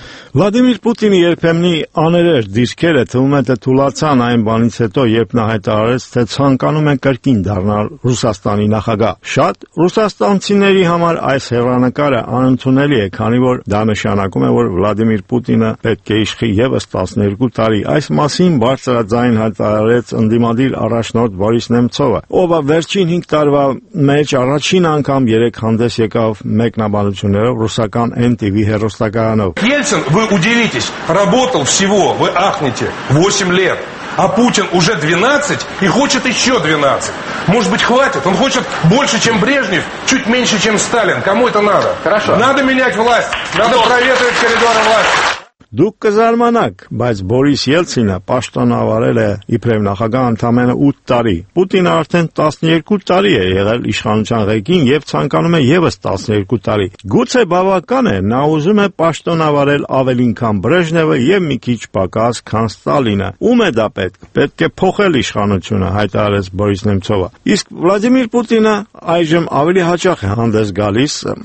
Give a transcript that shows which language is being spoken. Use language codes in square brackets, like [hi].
[hy] Վլադիմիր Պուտինի երբեմնի աներեր դիրքերը թվում են, թե թուլացան այն բանից հետո, երբ նա հայտարարեց, թե ցանկանում են կրկին դառնալ Ռուսաստանի նախագահ։ Շատ ռուսաստանցիների համար այս հեռանկարը անընդունելի է, քանի որ դա նշանակում է, որ Վլադիմիր Պուտինը պետք է իշխի ևս 12 տարի։ Այս մասին բարձրաձայն հայտարարեց ընդդիմադիր առաջնորդ Բորիս Նեմցովը, ով վերջին 5 տարվա մեջ առաջին անգամ երեք հանդես եկավ մեկնաբանություններով ռուսական NTV հեռուստակայանով։ [ru] Вы удивитесь, работал всего, вы ахнете, 8 лет, а Путин уже 12 и хочет еще 12. Может быть, хватит? Он хочет больше, чем Брежнев, чуть меньше, чем Сталин. Кому это надо? Хорошо. Надо менять власть, надо проветривать коридоры власти. [hy] Դուք կզարմանաք, բայց Բորիս Ելցինը պաշտոնավարել է իբրև նախագահ ընդամենը 8 տարի։ Պուտինը արդեն 12 տարի է եղել իշխանության ղեկին եւ ցանկանում է եւս 12 տարի։ Գուցե բավական է, նա ուզում է պաշտոնավարել ավելին, քան Բրեժնևը եւ մի քիչ պակաս, քան Ստալինը։ Ո՞ւմ է դա պետք։ Պետք է փոխել իշխանությունը, հայտարարեց Բորիս Նեմցովը։ Իսկ Վլադիմիր Պուտինը այժմ ավելի հաճախ է հանդես գալիս